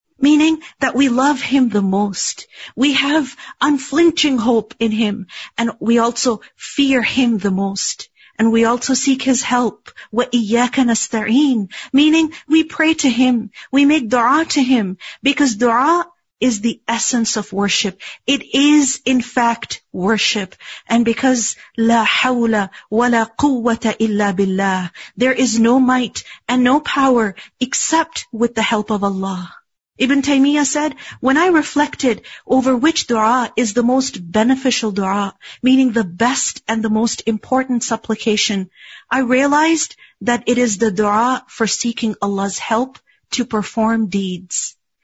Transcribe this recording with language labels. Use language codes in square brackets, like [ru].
[en] Meaning that we love him the most. We have unflinching hope in him. And we also fear him the most. And we also seek his help. [ar] وَإِيَّاكَ نَسْتَعِينَ. [en] Meaning we pray to him. We make dua to him. Because dua is the essence of worship. It is in fact worship. [ar] And because لَا حَوْلَ وَلَا قُوَّةَ إِلَّا بِاللَّهِ. [en] There is no might and no power except with the help of Allah. Ibn Taymiyyah said, when I reflected over which dua is the most beneficial dua, meaning the best and the most important supplication, I realized that it is the dua for seeking Allah's help to perform deeds.